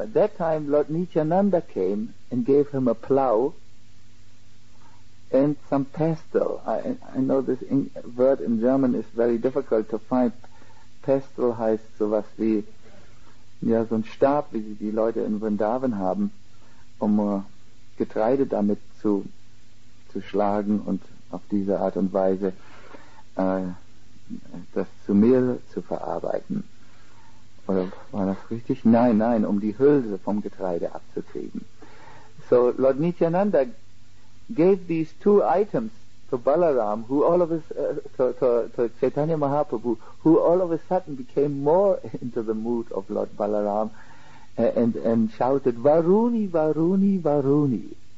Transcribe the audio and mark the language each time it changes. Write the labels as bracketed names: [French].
[English] At that time Lord Nityananda came and gave him a plow and some pestle. I know this word in German is very difficult to find. [German] Pestle heißt sowas wie, ja, so ein Stab, wie die Leute in Vrindavan haben, um Getreide damit zu schlagen und auf diese Art und Weise das zu Mehl zu verarbeiten. Oder war das richtig? Nein, nein, um die Hülse vom Getreide abzukriegen. [English] So Lord Nityananda gave these two items to Balaram, who all of a to Chaitanya Mahaprabhu, who all of a sudden became more into the mood of Lord Balaram, and shouted, Varuni, Varuni, Varuni.